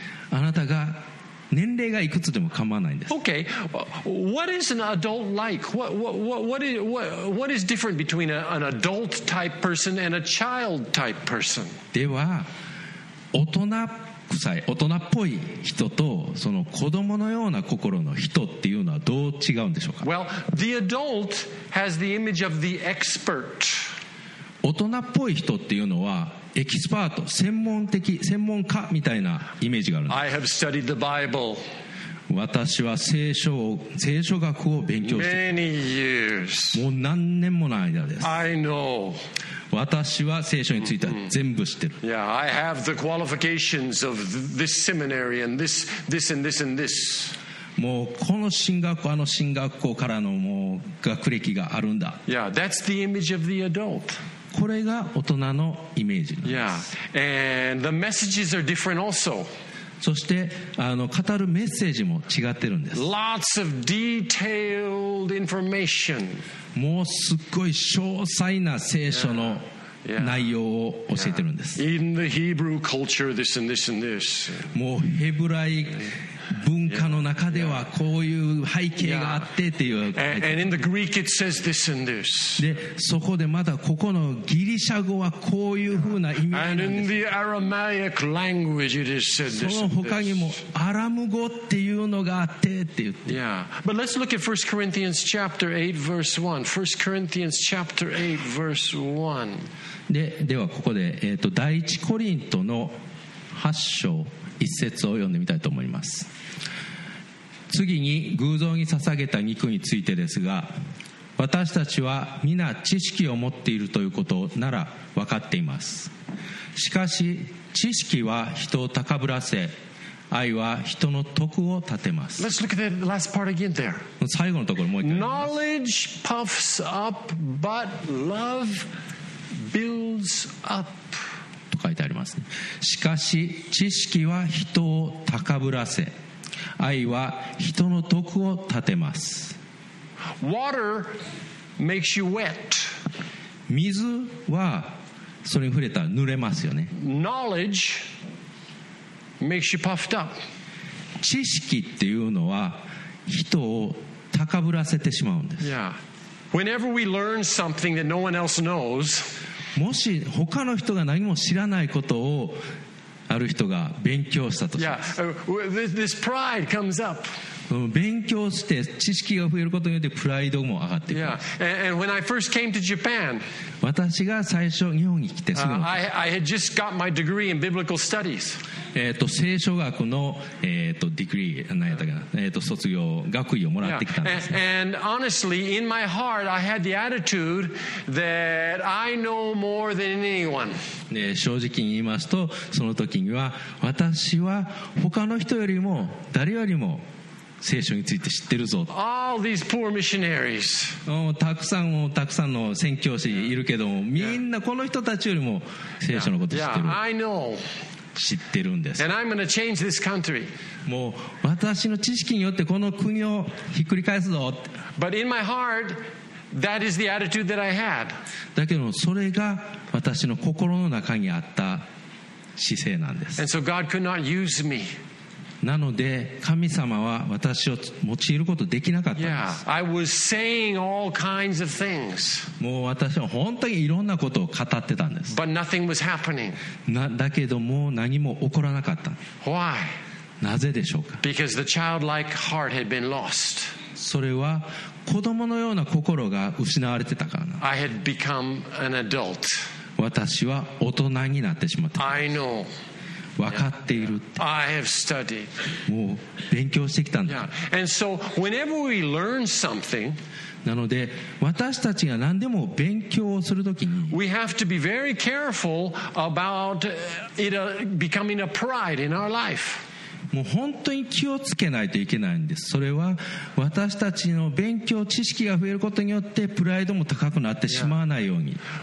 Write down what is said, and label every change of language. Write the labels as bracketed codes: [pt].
[ja] あなたが年齢がいくつでも構わないんです。 [en] Okay, what is an adult like? What is different between an adult type person and a child type person? [ja] では大人臭い、大人っぽい人とその子供のような心の人っていうのはどう違うんでしょうか？ [en] Well, the adult has the image of the expert. [ja] 大人っぽい人っていうのはエキスパート、専門的、専門家みたいなイメージがあるんです。 [en] I have studied the Bible. [ja] 私は聖書学を勉強して [en] Many years. [ja] もう何年もの間です。 [en] I know. [ja] 私は聖書については全部知ってる。 [en] Yeah, I have the qualifications of this seminary and this and this and this. [ja] もうこの神学校、あの神学校からのもう学歴があるんだ。 [en] Yeah, that's the image of the adult. [ja] これが大人のイメージなんです。 [en] Yeah, and the messages are different also. [ja] そしてあの語るメッセージも違ってるんです。 [en] Lots of detailed information. [ja] もうすっごい詳細な聖書の内容を教えてるんです。 [en] In the Hebrew culture, this and this and this. [ja] もうヘブライ文化の中ではこういう背景があってっていう。 [en] And in the Greek it says this and this. [ja] でそこでまたここのギリシャ語はこういうふうな意味なんです。 [en] And in the Aramaic language it is said this and this. [ja] その他にもアラム語っていうのがあってって言って。 [en] Yeah. But let's look at 1 Corinthians chapter 8 verse 1. 1 Corinthians chapter 8 verse 1. [ja] ではここで第一コリントの8章一節を読んでみたいと思います。次に偶像に捧げた肉についてですが、私たちは皆知識を持っているということなら分かっています。しかし知識は人を高ぶらせ、愛は人の徳を立てます。 [en] Let's look at the last part again there. [ja] 最後のところもう一回読みます。 [en] Knowledge puffs up, but love builds up. [ja] 書いてありますね。しかし知識は人を高ぶらせ、愛は人の徳を立てます。 [en] Water makes you wet. [ja] 水はそれに触れたら濡れますよね。 [en] Knowledge makes you puffed up. [ja] 知識っていうのは人を高ぶらせてしまうんです。 [en] Yeah. Whenever we learn something that no one else knows, [ja] もし他の人が何も知らないことをある人が勉強したとします。 [en] Yeah. This pride comes up. [ja] 勉強して知識が増えることによってプライドも上がってくる。 [en] Yeah. And when I first came to Japan, [ja] 私が最初日本に来てすぐ、 [en] I had just got my degree in biblical studies. [ja] 聖書学の、degree 何やったかな、卒業学位をもらってきたんです、ね。 [en] Yeah. And honestly, in my heart, I had the attitude that I know more than anyone. [ja] 正直に言いますと、その時には私は他の人よりも誰よりも聖書について知ってるぞ。 [en] All these poor missionaries. [ja] たくさんの宣教師いるけども、みんなこの人たちよりも聖書のこと知ってる。 [en] I know. [ja] 知ってるんです。 [en] And I'm going to change this country. [ja] もう私の知識によってこの国をひっくり返すぞ。 [en] But in my heart, that is the attitude that I had. [ja] だけどそれが私の心の中にあった姿勢なんです。 [en] And so God could not use me. [ja] なので神様は私を用いることできなかったんです。 [en] Yeah, I was saying all kinds of things. [ja] もう私は本当にいろんなことを語ってたんです。 [en] But nothing was happening. [ja] だけどもう何も起こらなかった。 [en] Why? [ja] なぜでしょうか。 [en] Because the childlike heart had been lost. [ja] それは子供のような心が失われてたからな。 [en] I had become an adult. [ja] 私は大人になってしまった。 [en] I know. [ja] 分かっているって。 [en] I have studied. [ja] もう勉強してきたんだ。 [en] Yeah. And so whenever we learn something, [ja] なので私たちが何でも勉強をするときに、 [en] we have to be very careful about it becoming a pride in our life. [ja] もう本当に気をつけないといけないんです。それは私たちの勉強知識が増えることによってプライドも高くなってしまわないように、yeah.